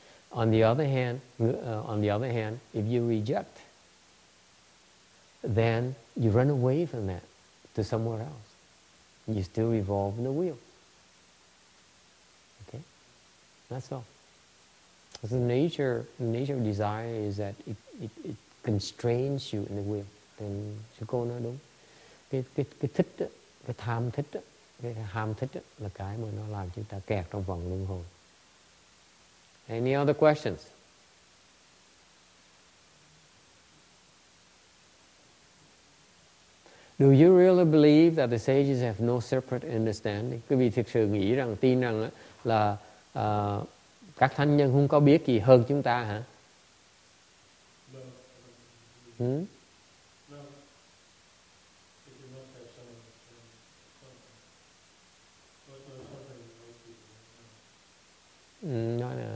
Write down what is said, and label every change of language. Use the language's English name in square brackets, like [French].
[English] On the other hand, if you reject, then you run away from that to somewhere else. You still revolve in the wheel. Okay? That's all. Because the nature of desire is that it constrains you in the wheel. Then [Vietnamese] sư cô nói đúng. Cái ham thích là cái mà nó làm chúng ta kẹt trong vòng luân hồi. [English] Any other questions? Do you really believe that the sages have no separate understanding? [Vietnamese] Quý vị thực sự nghĩ rằng, tin rằng là các thánh nhân không có biết gì hơn chúng ta hả? [English] No.